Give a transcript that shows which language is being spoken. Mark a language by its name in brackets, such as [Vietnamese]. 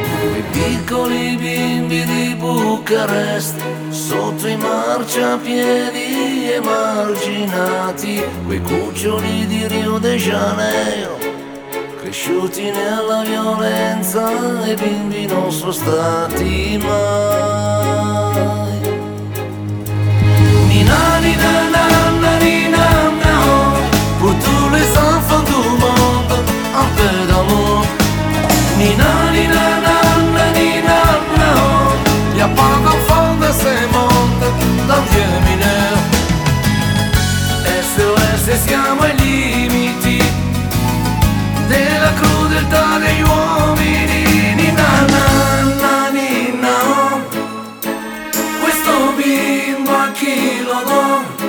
[Italian] Quei piccoli bimbi di Bucarest, sotto i marciapiedi emarginati, quei cuccioli di Rio de Janeiro, cresciuti nella violenza, e bimbi non sono stati mai. [French] Ninani nana nani nana ho, pour tous les enfants du monde, un peu d'amour. Ninani nana nani nana ho, y'a pas d'enfant dans ce monde, d'un vieux mineur. [Italian] SOS, siamo ai limiti della crudeltà degli uomini. Nina, nana, nina, questo bimbo a chi lo do?